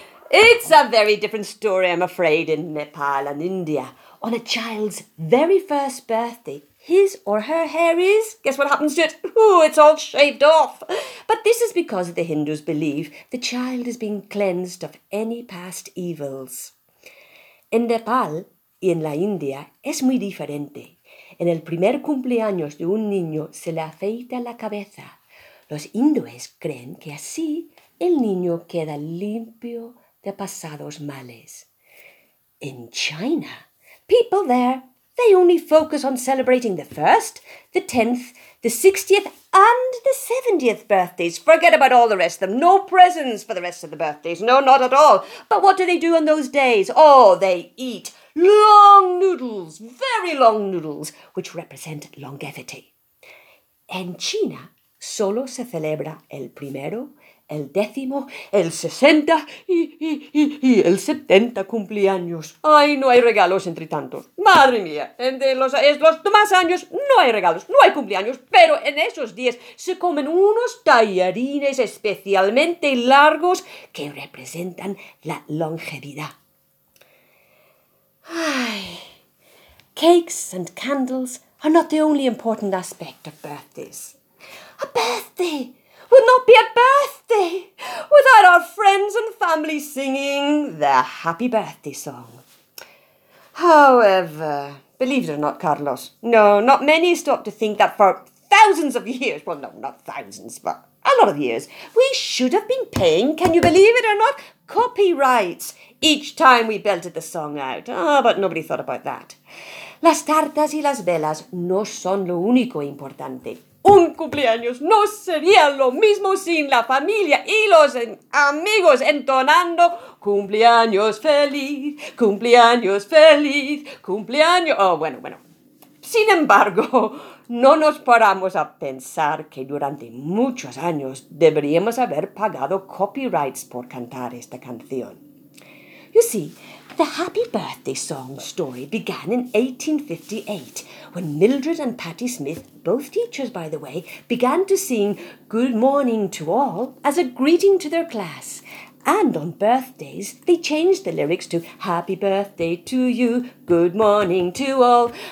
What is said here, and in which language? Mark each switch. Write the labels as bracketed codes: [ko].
[en] It's a very different story, I'm afraid, in Nepal and India. On a child's very first birthday, his or her hair is, guess what happens to it? Ooh, it's all shaved off. But this is because the Hindus believe the child is being cleansed of any past evils. [es] In Nepal y en la India es muy diferente. En el primer cumpleaños de un niño se le afeita la cabeza. Los hindúes creen que así el niño queda limpio de pasados males. [en] In China, people there, they only focus on celebrating the 1st, the 10th, the 60th and the 70th birthdays. Forget about all the rest of them. No presents for the rest of the birthdays. No, not at all. But what do they do on those days? Oh, they eat long noodles, very long noodles, which represent longevity. [es] En China, solo se celebra el primero, el décimo, el 60 y el 70 cumpleaños. Ay, no hay regalos entre tantos. Madre mía, entre los demás años no hay regalos, no hay cumpleaños, pero en esos días se comen unos tallarines especialmente largos que representan la longevidad. [en] Ay, cakes and candles are not the only important aspect of birthdays. A birthday would not be a birthday without our friends and family singing their happy birthday song. However, believe it or not, Carlos, no, not many stop to think that for thousands of years, well, no, not thousands, but a lot of years, we should have been paying, can you believe it or not, copyrights each time we belted the song out. Ah, but nobody thought about that. [es] Las tartas y las velas no son lo único importante. Un cumpleaños no sería lo mismo sin la familia y los amigos entonando cumpleaños feliz, cumpleaños feliz, cumpleaños... Oh, bueno, bueno. Sin embargo, no nos paramos a pensar que durante muchos años deberíamos haber pagado copyrights por cantar esta canción. [en] You see, the Happy Birthday song story began in 1858 when Mildred and Patti Smith, both teachers by the way, began to sing Good Morning to All as a greeting to their class. And on birthdays, they changed the lyrics to Happy Birthday to you, good morning to all.